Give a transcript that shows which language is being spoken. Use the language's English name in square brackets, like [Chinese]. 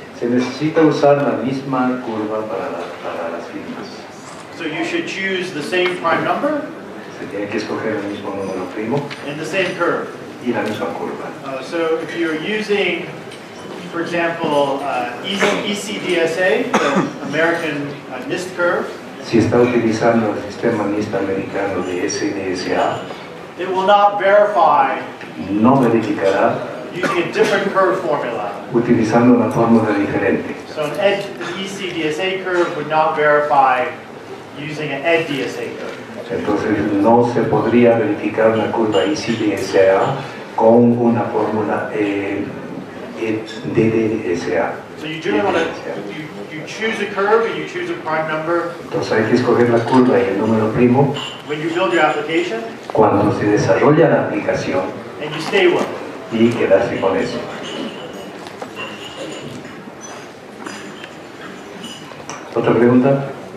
[Spanish] Se necesita usar la misma curva para las firmas. [English] So you should choose the same prime number? [Spanish] Se tiene que escoger el mismo número primo. [English] And the same curve? [Spanish] Y la misma curva. [English] So if you're using, for example, ECDSA, the American NIST curve. [Spanish] Si está utilizando el sistema NIST americano de SDSA, [English] it will not verify. [Spanish] No verificará. [English] using a different curve formula. [Spanish] Utilizando una fórmula diferente. [English] So an EC-DSA curve would not verify using an ED-DSA curve. [Spanish] Entonces no se podría verificar una curva EC-DSA con una fórmula ED-DSA. [English] So you generally want to you choose a curve and you choose a prime number. [Spanish] Entonces hay que escoger la curva y el número primo. [English] When you build your application. [Spanish] Cuando se desarrolla la aplicación. [English] And you stay with it. [Spanish] Y quedarse con eso. ¿Otra pregunta?